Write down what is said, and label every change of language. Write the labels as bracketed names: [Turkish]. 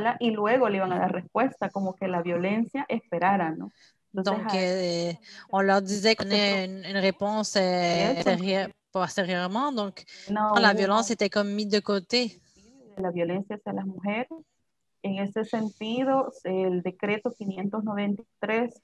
[Spanish] Y luego le iban a dar respuesta como que la violencia esperara, ¿no? [French] Donc, on leur disait qu'on avait une réponse postérieurement. Donc, la violence était comme mise de côté. [Spanish] La violencia hacia las mujeres. En ese sentido, el decreto 593.